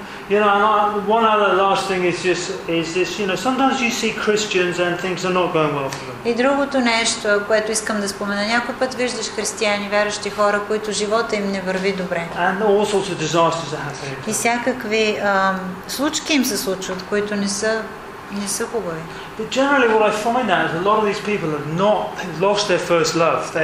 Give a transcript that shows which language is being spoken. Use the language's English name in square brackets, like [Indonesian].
[English] You know, one other last thing is this, you know, sometimes you see Christians and things are not going well for them. [Bulgarian] И другото нещо, което искам да спомена, някой път виждаш християни, вярващи хора, които живота им не върви добре. [English] And all sorts of disasters are happening. [Bulgarian] И всякакви случки им се случват, които не са хубави. [English] But generally what I find out is a lot of these people have not lost their first love.